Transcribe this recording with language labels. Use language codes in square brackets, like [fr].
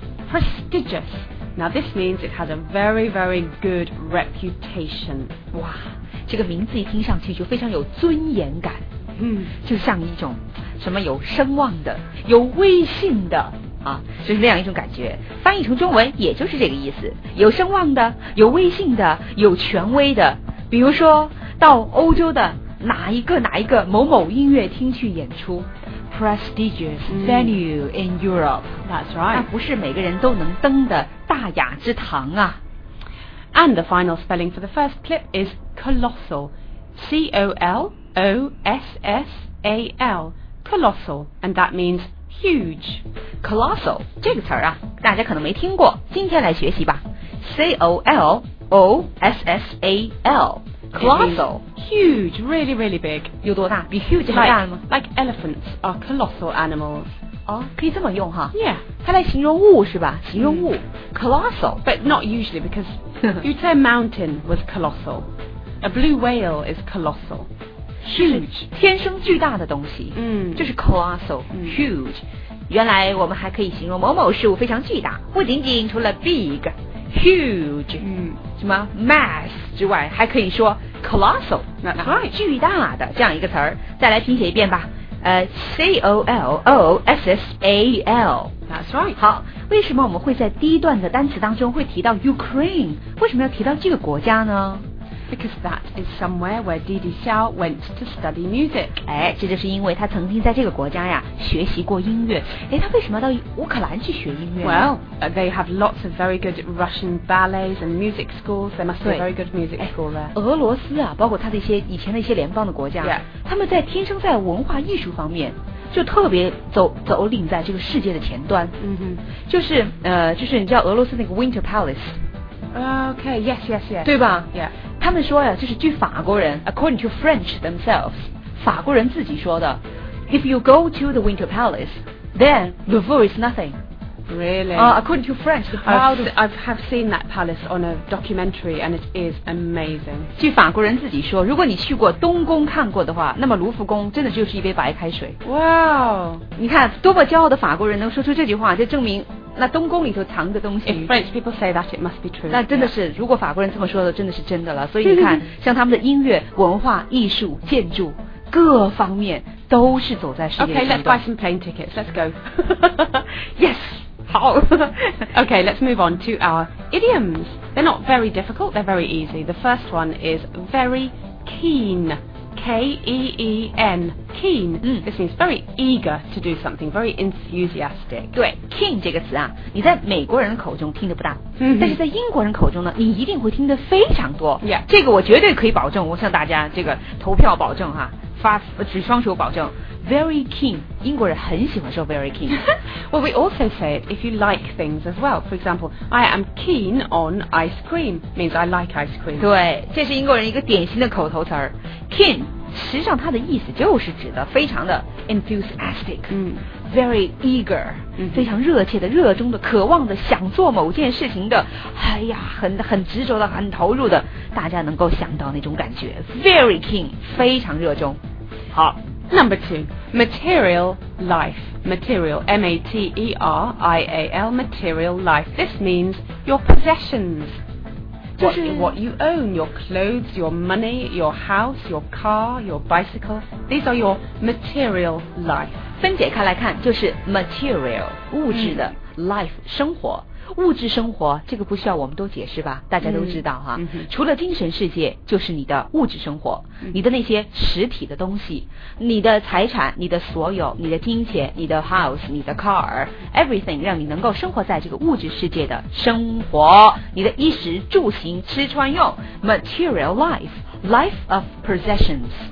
[en] Prestigious. Now this means it has a very, very good reputation. [zh] 哇，这个名字一听上去就非常有尊严感。就像一种什么有声望的，有威信的啊，就是那样一种感觉。翻译成中文也就是这个意思，有声望的，有威信的，有权威的。比如说到欧洲的哪一个某某音乐厅去演出 [en] ，prestigious venue in Europe. That's right. [zh] 那不是每个人都能登的大雅之堂啊。 [en] And the final spelling for the first clip is colossal, C O L O S S A L, colossal, and that means huge. [zh] Colossal 这个词儿啊，大家可能没听过，今天来学习吧。 [en] C O L O S S A L. Colossal. Huge, really, really big. [zh] 有多大？比 huge 还大吗？ [en] Like elephants are colossal animals. [zh] 哦，可以这么用哈。 [en] Yeah. [zh] 它来形容物是吧？形容物。Colossal. [en] But not usually, because you'd say a mountain was colossal. A blue whale is colossal. Huge. [zh] 天生巨大的东西。就是 colossal. [en] Huge. [zh] 原来我们还可以形容某某事物非常巨大，不仅仅除了 big. Huge, 什么 mass 之外，还可以说 colossal, [en] that's right, [zh] 巨大的这样一个词儿。再来拼写一遍吧，C O L O S S A L, [en] that's right. [zh] 好，为什么我们会在第一段的单词当中会提到 Ukraine? 为什么要提到这个国家呢？ [en] Because that is somewhere where Didi Xiao went to study music. [zh] 哎，这就是因为他曾经在这个国家呀学习过音乐。哎，他为什么要到乌克兰去学音乐？ [en] Well, they have lots of very good Russian ballets and music schools. They must be a very good music school there. [zh] 俄罗斯啊，包括他的一些以前的一些联邦的国家， [en] yeah. [zh] 他们在天生在文化艺术方面就特别走领在这个世界的前端。就是你知道俄罗斯那个 Winter Palace. [en] Okay. Yes. Yes. Yes. [zh] 对吧？ [en] Yeah. [zh] 他们说呀，就是据法国人 [en] according to French themselves, [zh] 法国人自己说的 [en] if you go to the Winter Palace, then Louvre is nothing. Really?、 According to French, I've seen that palace on a documentary and it is amazing. [zh] 据法国人自己说，如果你去过东宫看过的话，那么卢浮宫真的就是一杯白开水。 [en] Wow! [zh] 你看多么骄傲的法国人能说出这句话，就证明那东宫里头藏的东西。 [en] If French people say that, it must be true. [zh] 那真的是、 [en] yeah. [zh] 如果法国人这么说的真的是真的了。所以你看像他们的音乐文化艺术建筑各方面都是走在世界上的。 [en] Okay, let's buy some plane tickets. Let's go. Yes. [zh] 好。 [en] Okay, let's move on to our idioms. They're not very difficult, they're very easy. The first one is very keen. K-E-E-N. Keen.、This means very eager to do something, very enthusiastic. [zh] 对 keen 这个词啊，你在美国人口中听得不大、但是在英国人口中呢，你一定会听得非常多。 [en] Yeah. [zh] 这个我绝对可以保证，我向大家这个投票保证哈、举双手保证。Very keen. 英国人很喜欢说 very keen. [en] Well, we also say it if you like things as well. For example, I am keen on ice cream. Means I like ice cream. [zh] 对，这是英国人一个典型的口头词儿。Keen, 实际上它的意思就是指的非常的 enthusiastic. [en] Very eager. [zh] 非常热切的、热衷的、渴望的、想做某件事情的，哎呀，很执着的、很投入的，大家能够想到那种感觉。 Very keen, 非常热衷。好。 [en] Number two, material life. Material, M-A-T-E-R-I-A-L, material life. This means your possessions. [zh] 就是 [en] what you own, your clothes, your money, your house, your car, your bicycle. These are your material life. [zh] 分解开来看，就是 material 物质的、嗯、life 生活。物质生活这个不需要我们都解释吧，大家都知道哈、嗯嗯、除了精神世界就是你的物质生活、嗯、你的那些实体的东西，你的财产，你的所有，你的金钱，你的 house, 你的 car, everything, 让你能够生活在这个物质世界的生活，你的衣食住行吃穿用 [en] material life, life of possessions.